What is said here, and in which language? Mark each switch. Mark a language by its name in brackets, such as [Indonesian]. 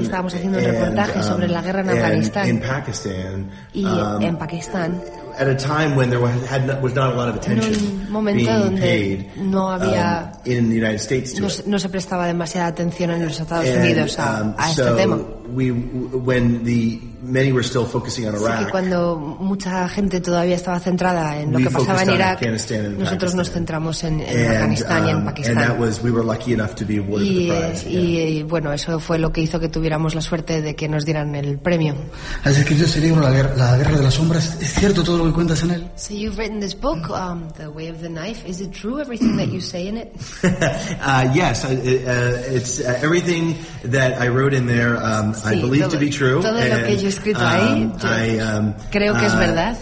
[Spanish] Y estábamos haciendo reportajes sobre la guerra en Afganistán. [English] In Pakistan. [Spanish] En Pakistán. [English] At a time when there was not a lot of attention being paid [Spanish] no había, [English] in the United States to [Spanish] no se prestaba demasiada atención en los Estados Unidos a este tema. [English] Many were still focusing on Iraq. [Spanish] Sí, que cuando mucha gente todavía estaba centrada en lo que pasaba en Irak, nosotros nos centramos en Afganistán y en Pakistán. [English] And that was, we were lucky enough to be awarded the prize. [Spanish] Y bueno, eso fue lo que hizo que tuviéramos la suerte de que nos dieran el premio. ¿Has escrito ese libro, La Guerra de las Sombras? ¿Es cierto todo lo que cuentas en él? [English] So you've written this book, The Way of the Knife. Is it true everything that you say in it? Yes, it's everything that I wrote in there. [Spanish] Sí, [English] I believe [Spanish] todo, [English] to be true. [Spanish] Todo lo que yo he escrito ahí, creo que es verdad.